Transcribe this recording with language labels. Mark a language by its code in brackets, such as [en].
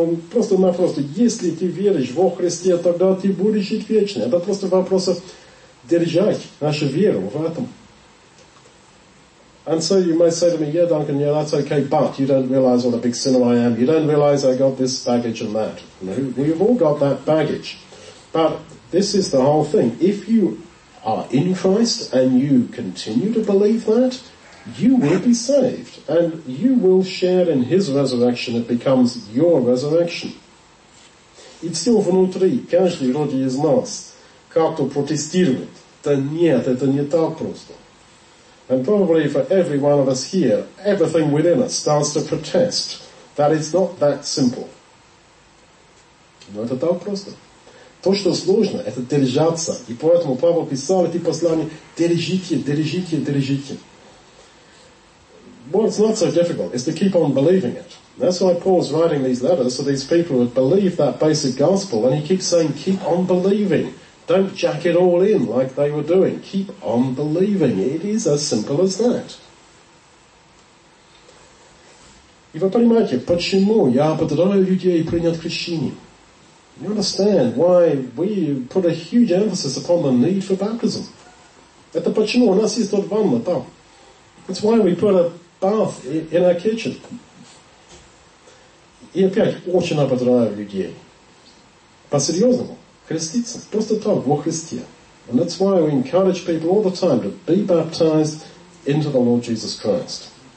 [ru] Просто-напросто, если ты веришь во Христе, тогда ты будешь жить вечно. Это просто вопрос держать нашу веру в этом. [en] And so you might say to me, yeah, Duncan, yeah, that's okay, but you don't realize what a big sinner I am. You don't realize I got this baggage and that. We've all got that baggage. But this is the whole thing. If you are in Christ and you continue to believe that, you will be saved and you will share in His resurrection. It becomes your resurrection. [ru] И все внутри, каждый вроде из нас, как-то протестирует. Да нет, это не так просто. [en] And probably for every one of us here, everything within us starts to protest that it's not that simple. [ru] Но это так просто. То, что сложно, это держаться. И поэтому Павел писал эти послания: держите, держите, держите. [en] Well, it's not so difficult. It's to keep on believing it. That's why Paul's writing these letters, so these people would believe that basic gospel. And he keeps saying, keep on believing. Don't jack it all in like they were doing. Keep on believing. It is as simple as that. [ru] И вы понимаете, почему я ободряю людей принять крещение? [en] You understand why we put a huge emphasis upon the need for baptism? [ru] Это почему у нас есть тут ванна там. [en] It's why we put a bath in our kitchen. [ru] И опять, очень ободряю людей. По-серьезному, креститься, просто там, во Христе. [en] And that's why we encourage people all the time to be baptized into the Lord Jesus Christ.